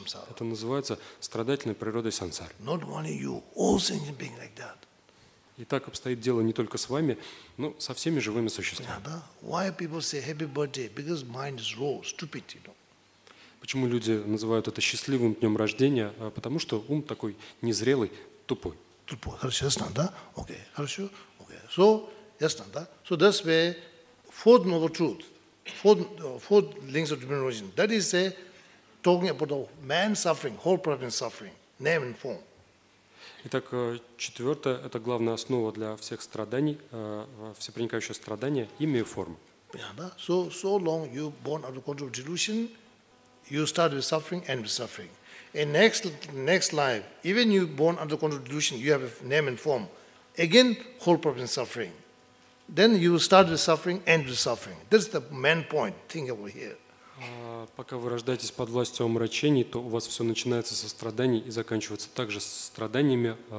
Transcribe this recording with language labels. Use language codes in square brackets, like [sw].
[ru] Это называется страдательной природой сансары. [en] Not only you, all sentient beings like that. [ru] И так обстоит дело не только с вами, но со всеми живыми существами. [en] Why people say happy birthday? Because mind is raw, stupid, you know. [ru] Почему люди называют это счастливым днем рождения? Потому что ум такой незрелый, тупой. Тупой. Хорошо, ясно, да? Окей. Хорошо. Окей. So, ясно, да? [en] So, that's where fourth noble truth, fourth links of divine origin, that is talking about man's suffering, whole problem suffering, name and form. [ru] Итак, четвертое – это главная основа для всех страданий, всепроникающее страдание, имя и форма. Понятно, да? [en] So long you born under control of delusion, you start with suffering and with suffering. In next life, even you born under control of delusion, you have a name and form. Again, whole problem suffering. Then you start with suffering and with suffering. That's the main point. Think over here. [ru] Пока вы рождаетесь под властью омрачений, то у вас все начинается со страданий и заканчивается также со страданиями.